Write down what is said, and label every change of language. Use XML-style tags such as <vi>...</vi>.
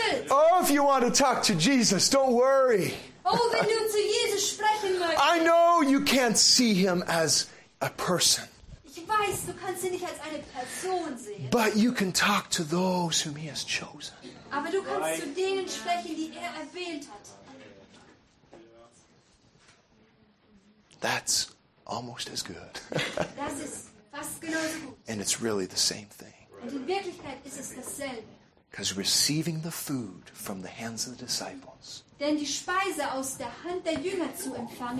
<en>Oh, if you want to talk to Jesus, don't worry. I know you can't see him as a person.</en> <de>Weißt, du kannst ihn nicht als eine Person sehen.</de> <en>But you can talk to those whom he has chosen.</en> <de>Aber du kannst</de> <en>right.</en> <de>zu denen sprechen, die er erwählt hat.</de> <en>That's almost as good.</en> <de>Das ist fast genauso gut.</de> <en>And it's really the same thing.</en> <de>Und in Wirklichkeit ist es dasselbe.</de> <en>Because receiving the food from the hands of the disciples.</en> <de>Denn die Speise aus der Hand der Jünger zu empfangen</de>